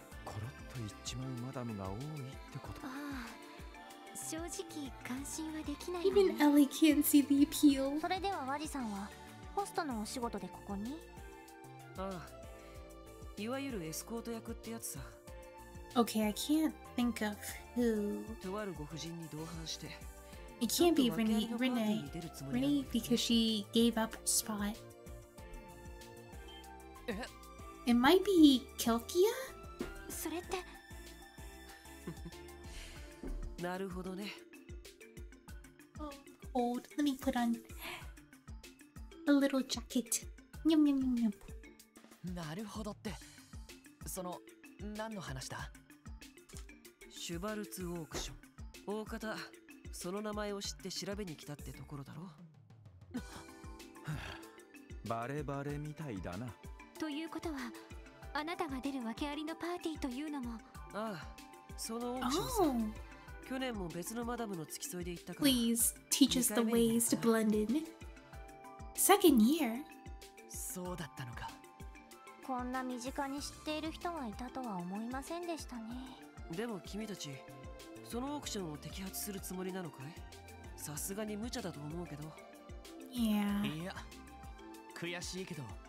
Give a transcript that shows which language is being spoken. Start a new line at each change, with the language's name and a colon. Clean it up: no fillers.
English: Even Ellie can't see the appeal.
Japanese: それではワジさんはホストのお仕事でここに? ああ、いわゆるエスコート役ってやつさ。
English: Okay, I can't think of who.
Japanese: とあるご婦人に同伴して。
English: It can't be Renee because she gave up her spot. It might be Kelkia?
Japanese: なるほどね。
English: Oh, hold. Let me put on a little jacket. Nyum, nyum, nyum, nyum.
Japanese: なるほどって。その、 何の話だ? シュバルツ オークション。大方、 その名前を知って調べに来たってところだろ? バレバレみたいだな。ということは、
English: Please teach us the ways to blend in. Second year.
Japanese: そうだったのか。こんな身近に知っている人がいたとは思いませんでしたね。でも君たち、そのオークションを摘発するつもりなのかい？さすがに無茶だと思うけど。いや。いや、悔しいけど。